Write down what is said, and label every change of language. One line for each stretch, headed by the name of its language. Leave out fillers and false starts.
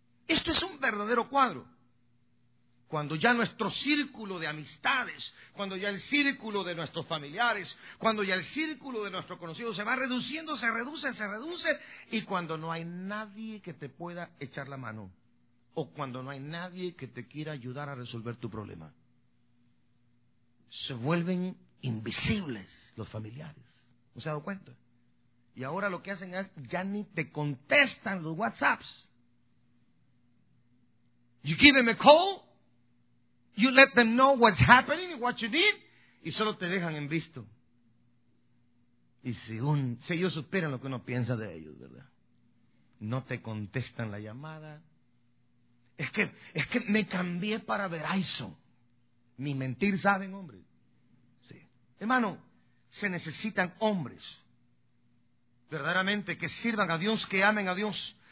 Spanish: Esto es un verdadero cuadro. Cuando ya nuestro círculo de amistades, cuando ya el círculo de nuestros familiares, cuando ya el círculo de nuestros conocidos se va reduciendo, se reduce, y cuando no hay nadie que te pueda echar la mano, o cuando no hay nadie que te quiera ayudar a resolver tu problema, se vuelven invisibles los familiares. ¿No se ha dado cuenta? Y ahora lo que hacen es, ya ni te contestan los WhatsApps.
English: You give them a call, you let them know what's happening and what you need,
Spanish: y solo te dejan en visto. Y si ellos supieran lo que uno piensa de ellos, ¿verdad? No te contestan la llamada. Es que me cambié para Verizon. Ni mentir saben, hombre. Sí. Hermano, se necesitan hombres verdaderamente que sirvan a Dios, que amen a Dios.